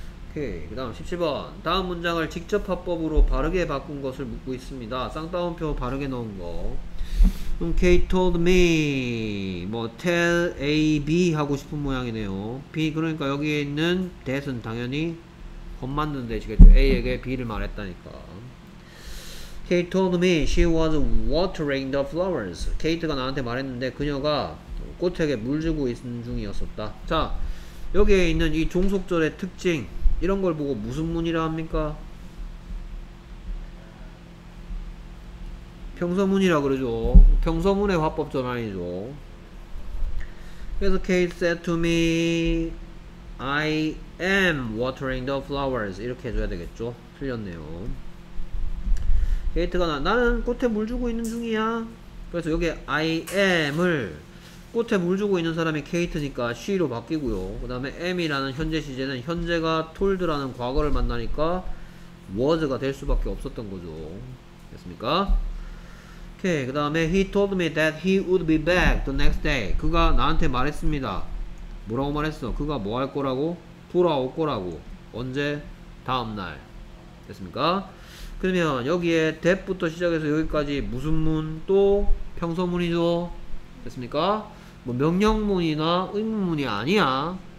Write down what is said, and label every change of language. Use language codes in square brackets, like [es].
[ko] 오케이. 그 다음 17번. 다음 문장을 직접 화법으로 바르게 바꾼 것을 묻고 있습니다. 쌍따옴표 바르게 넣은 거. [en] Kate told me. [ko] 뭐, tell A, B 하고 싶은 모양이네요. B, 그러니까 여기에 있는 that은 당연히 겁맞는 대시겠죠. A에게 B를 말했다니까. [en] Kate told me she was watering the flowers. [ko] Kate가 나한테 말했는데 그녀가 꽃에게 물 주고 있는 중이었었다. 자, 여기에 있는 이 종속절의 특징 이런 걸 보고 무슨 문이라 합니까? 평서문이라 그러죠. 평서문의 화법 전환이죠. 그래서 [en] Kate said to me I am watering the flowers. [ko] 이렇게 해줘야 되겠죠. 틀렸네요. 게이트가 나는 꽃에 물 주고 있는 중이야. 그래서 여기에 I am을 꽃에 물 주고 있는 사람이 케이트니까 she로 바뀌고요. 그 다음에 am이라는 현재 시제는 현재가 told라는 과거를 만나니까 was가 될 수밖에 없었던 거죠. 됐습니까? 오케이. 그 다음에 [en] he told me that he would be back the next day. [ko] 그가 나한테 말했습니다. 뭐라고 말했어? 그가 뭐 할 거라고? 돌아올 거라고. 언제? 다음날. 됐습니까? 그러면 여기에 that부터 시작해서 여기까지 무슨 문? 또 평서문이죠. 됐습니까? 뭐 명령문이나 의문문이 아니야.